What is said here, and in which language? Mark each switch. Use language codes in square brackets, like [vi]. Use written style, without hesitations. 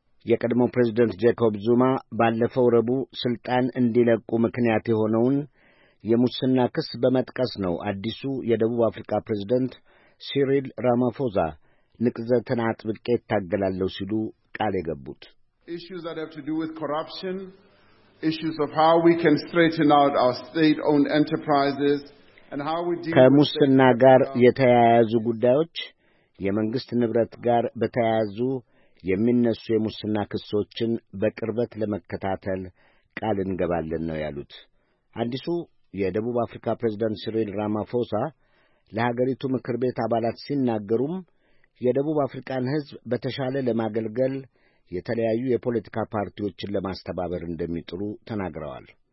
[am] የቀድሞው ፕሬዝደንት ጄኮብ ዙማ ባለፈው ረቡዕ ሥልጣን እንዲለቁ ምክንያት የሆነውን የሙስና ክስ በመጥቀስ ነው አዲሱ የደቡብ አፍሪካ ፕሬዝደንት ሲሪል ራማፎዛ ንቅዘትን አጥብቄ እታገላለሁ ሲሉ ቃል የገቡት። [en] issues that have to do with corruption, issues of how we can straighten out our state-owned enterprises and how we deal [am] ከሙስና ጋር የተያያዙ ጉዳዮች፣ የመንግስት ንብረት ጋር በተያያዙ የሚነሱ የሙስና ክሶችን በቅርበት ለመከታተል ቃል እንገባለን ነው ያሉት። አዲሱ የደቡብ አፍሪካ ፕሬዝዳንት ሲሪል ራማፎሳ ለሀገሪቱ ምክር ቤት አባላት ሲናገሩም የደቡብ አፍሪካን ሕዝብ በተሻለ ለማገልገል የተለያዩ የፖለቲካ ፓርቲዎችን ለማስተባበር እንደሚጥሩ ተናግረዋል።